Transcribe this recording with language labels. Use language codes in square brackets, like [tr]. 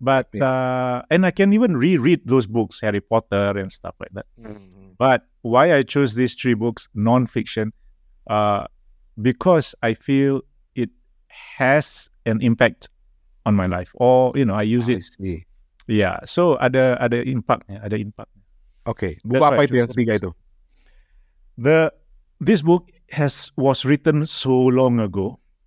[en] but, and I can even reread those books, Harry Potter and stuff like that. Mm-hmm. But why I chose these three books, non-fiction, because I feel it has an impact on my life. Or, you know, I use it. See. [ms] Yeah, so ada impact. Ada impact. [id] Okay, buku apa itu yang ketiga itu? [en] This book was written so long ago.